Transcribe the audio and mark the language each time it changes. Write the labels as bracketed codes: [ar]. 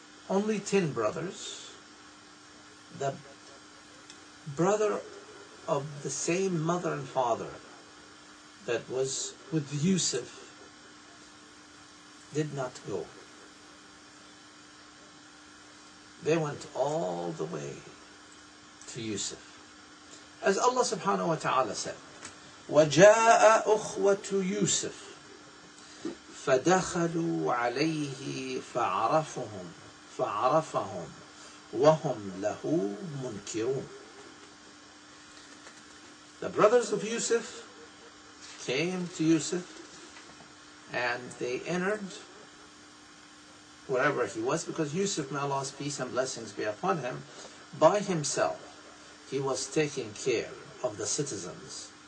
[en] Only 10 brothers. The brother of the same mother and father that was with Yusuf did not go. They went all the way to Yusuf. As Allah subhanahu wa ta'ala said, [ar] وَجَاءَ أُخْوَةُ يُوسِفْ فَدَخَلُوا عَلَيْهِ فَعَرَفُهُمْ فَعَرَفَهُمْ وَهُمْ لَهُ مُنْكِرُونَ. [en] The brothers of Yusuf came to Yusuf and they entered wherever he was, because Yusuf, may Allah's peace and blessings be upon him, by himself, he was taking care of the citizens.